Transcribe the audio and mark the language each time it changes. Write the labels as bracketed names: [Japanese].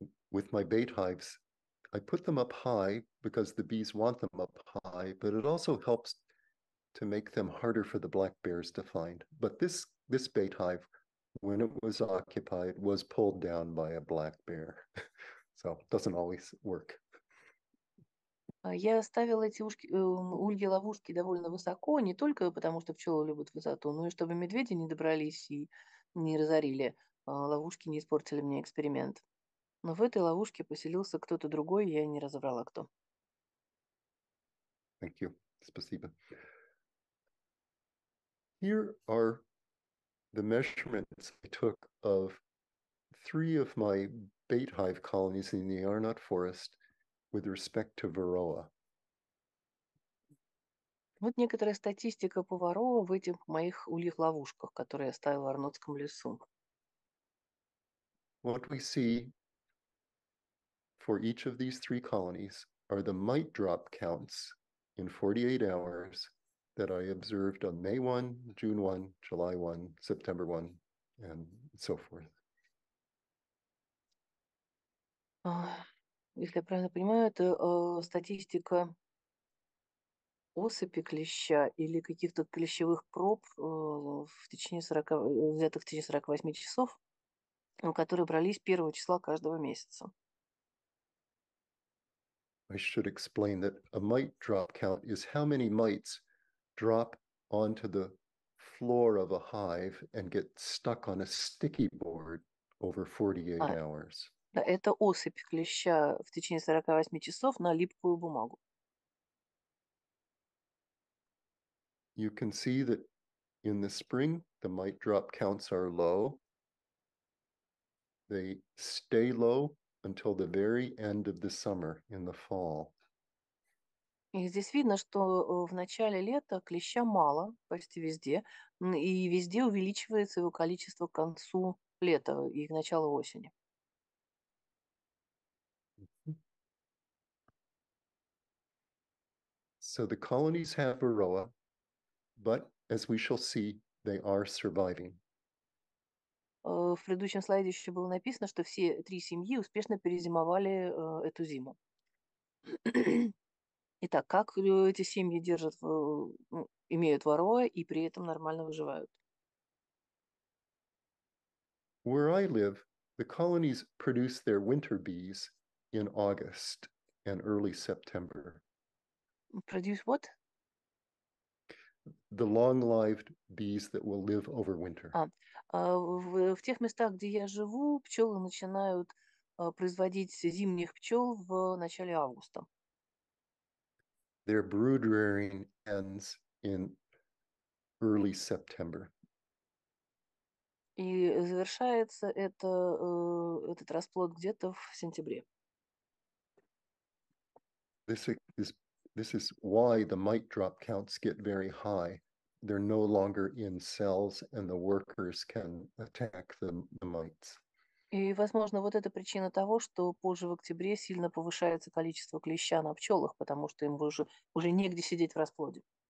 [English] With my bait hives, I put them up high because the bees want them up high, but it also helps to make them harder for the black bears to find. But this bait hive, when it was occupied, was pulled down by a black bear. So it doesn't always work. [Russian] Я ставил эти ушки, ульи-ловушки довольно высоко, не только потому, что пчелы любят высоту, но и чтобы медведи не добрались и не разорили ловушки, не испортили мне эксперимент. Но в этой ловушке поселился кто-то другой, я не разобрала, кто. [English] Thank you. [Russian] Спасибо. [English] Here are the measurements I took of three of my bait hive colonies in the Arnot forest with respect to varroa. [Russian] Вот некоторая статистика по варроа в этих моих ульих ловушках, которые я ставил в Арнотском лесу. [English] What we see for each of these three colonies are the mite drop counts in 48 hours that I observed on May 1, June 1, July 1, September 1, and so forth. [Russian] Если я правильно понимаю, это статистика осыпи клеща или каких-то клещевых проб взятых в течение 48 часов, которые брались 1 числа каждого месяца. [English] I should explain that a mite drop count is how many mites drop onto the floor of a hive and get stuck on a sticky board over 48 hours. [Russian] Да, это осыпь клеща в течение 48 часов на липкую бумагу. [English] You can see that in the spring the mite drop counts are low. They stay low until the very end of the summer in the fall. [Russian] И здесь видно, что в начале лета клеща мало почти везде, и везде увеличивается его количество к концу лета и к началу осени. [English] So the colonies have varroa, but as we shall see, they are surviving. [Russian] В предыдущем слайде еще было написано, что все три семьи успешно перезимовали эту зиму. Итак, как эти семьи держат, имеют варроа и при этом нормально выживают? [English] Where I live, the colonies produce their winter bees in August and early September. Produce what? The long-lived bees that will live over winter. [Russian] В тех местах, где я живу, пчелы начинают производить зимних пчел в начале августа. [English] Their brood rearing ends in early September. [Russian] И завершается этот расплод где-то в сентябре. [English] This is why the mite drop counts get very high. They're no longer in cells, and the workers can attack the mites. [Russian] И, возможно, вот это причина того, что позже в октябре сильно повышается количество клеща на пчелах, потому что им уже негде сидеть в расплоде.